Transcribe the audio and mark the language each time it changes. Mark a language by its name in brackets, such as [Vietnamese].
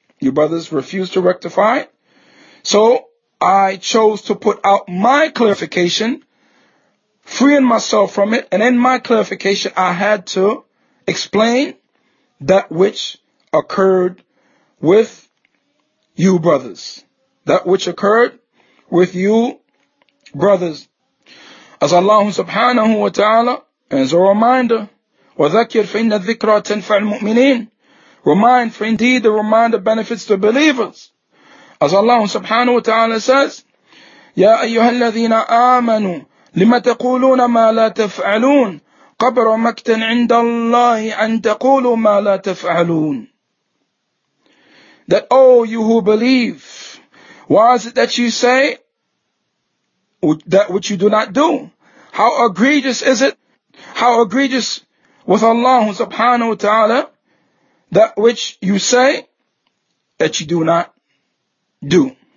[English] You brothers refuse to rectify it. So I chose to put out my clarification, freeing myself from it, and in my clarification, I had to explain that which occurred with you brothers. That which occurred with you brothers. As Allah subhanahu wa ta'ala, as a reminder, [Arabic] وَذَكِّرْ فَإِنَّ الذِّكْرَى تَنْفَعْ الْمُؤْمِنِينَ. [English] Remind, for indeed the reminder benefits the believers. As Allah subhanahu wa ta'ala says, [Arabic] يَا أَيُّهَا الَّذِينَ آمَنُوا لِمَ تَقُولُونَ مَا لَا تَفْعَلُونَ قَبْرَ مَكْتًا عِنْدَ اللَّهِ أَنْ تَقُولُوا مَا لَا تَفْعَلُونَ. [English] That, oh, you who believe, why is it that you say that which you do not do? How egregious is it? How egregious with Allah subhanahu wa ta'ala that which you say that you do not do?